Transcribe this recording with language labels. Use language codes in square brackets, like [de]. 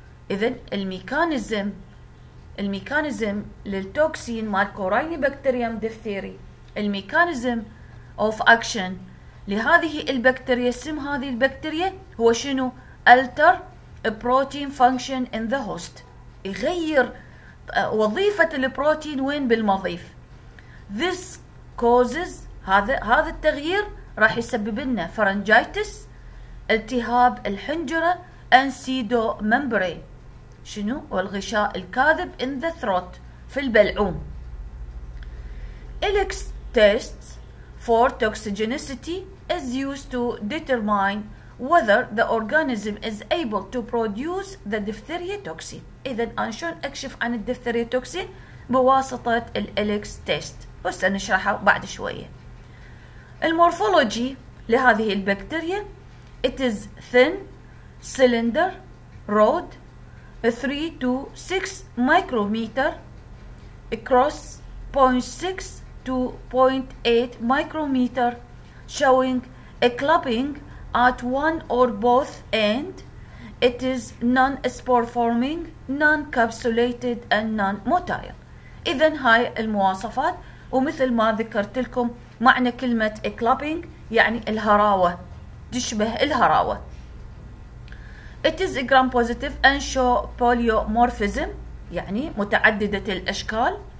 [ar] إذن الميكانيزم للتوكسين مال كوريني بكتيريام ديفثيري، الميكانيزم of action لهذه البكتيريا، اسم هذه البكتيريا هو شنو؟ [en] alter a protein function in the host، [ar] يغير وظيفة البروتين وين؟ بالمضيف. [en] This causes [ar] هذا التغيير راح يسبب لنا فرنجايتس، التهاب الحنجرة [en] and pseudo membrane [ar] شنو؟ والغشاء الكاذب [en] in the throat [ar] في البلعوم. [en] Elix tests for toxicity is used to determine whether the organism is able to produce the diphtheria toxin. [ar] إذا أنا شلون أكشف عن الديفثيريا توكسين؟ بواسطة الإلكس تيست، بس نشرحه بعد شوية. المورفولوجي لهذه البكتيريا [en] it is thin cylinder rod 3 to 6 micrometer across 0.6 to 0.8 micrometer showing a clubbing at one or both end. It is non-spore-forming, non-capsulated, and non-motile. [ar] إذن هاي المواصفات، ومثل ما ذكرت لكم معنى كلمة clubbing يعني الهراوة، تشبه الهراوة. [en] It is gram-positive and show polymorphism [ar] يعني متعددة الأشكال.